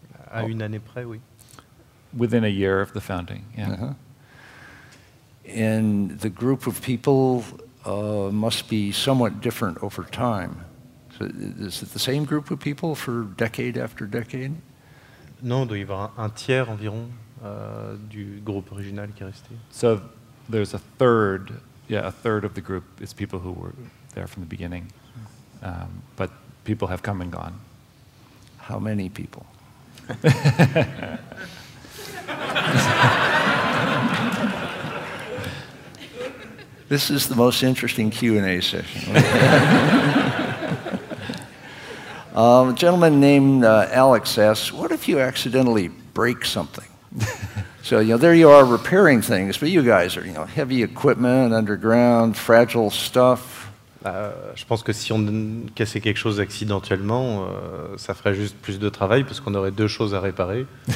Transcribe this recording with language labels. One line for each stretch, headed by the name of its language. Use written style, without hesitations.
French: À une année près, oui.
English: Within a year of the founding, yeah. Uh-huh. And the group of people must be somewhat different over time. So is it the same group of people for decade after decade?
French: Non, il doit y avoir un tiers environ du groupe original qui est resté.
English: So there's a third, yeah, a third of the group is people who were there from the beginning. But people have come and gone. How many people? This is the most interesting Q&A session. a gentleman named Alex asks, what if you accidentally break something? So, you know, there you are repairing things, but you guys are, you know, heavy equipment, underground, fragile stuff.
French: Je pense que si on cassait quelque chose accidentellement, ça ferait juste plus de travail parce qu'on aurait deux choses à réparer.